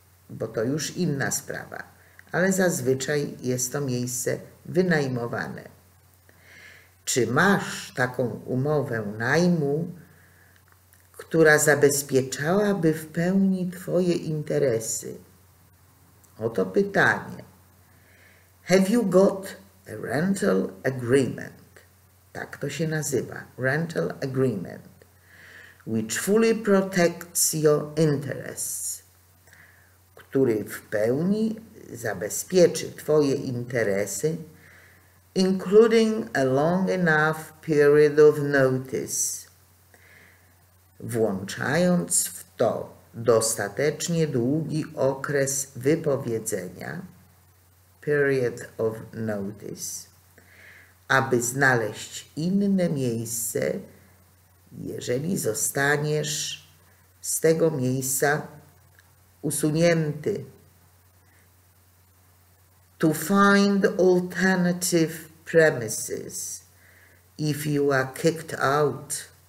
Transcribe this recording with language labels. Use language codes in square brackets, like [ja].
[pl] bo to już inna sprawa, ale zazwyczaj jest to miejsce wynajmowane. Czy masz taką umowę najmu, która zabezpieczałaby w pełni twoje interesy? Oto pytanie. [en] Have you got a rental agreement? [pl] Tak to się nazywa, [en] rental agreement, which fully protects your interests, [pl] który w pełni zabezpieczy twoje interesy, [en] including a long enough period of notice, [pl] włączając w to dostatecznie długi okres wypowiedzenia, [en] period of notice, [pl] aby znaleźć inne miejsce, jeżeli zostaniesz z tego miejsca usunięty. [en] To find alternative premises if you are kicked out.